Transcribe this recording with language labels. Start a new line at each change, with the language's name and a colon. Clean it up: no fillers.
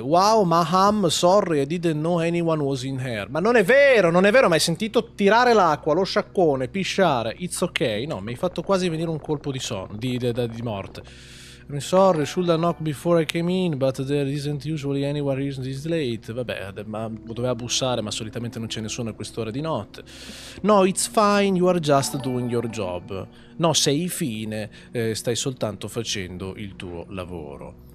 English: Wow, maham, sorry, I didn't know anyone was in here.
Italian: Ma non è vero, non è vero. Ma hai sentito tirare l'acqua, lo sciacquone, pisciare.
English: It's okay.
Italian: No, mi hai fatto quasi venire un colpo di morte.
English: I'm sorry, should I knock before I came in, but there isn't usually anywhere here this late.
Italian: Vabbè, ma doveva bussare, ma solitamente non c'è nessuno a quest'ora di notte.
English: No, it's fine, you are just doing your job.
Italian: No, sei fine, stai soltanto facendo il tuo lavoro.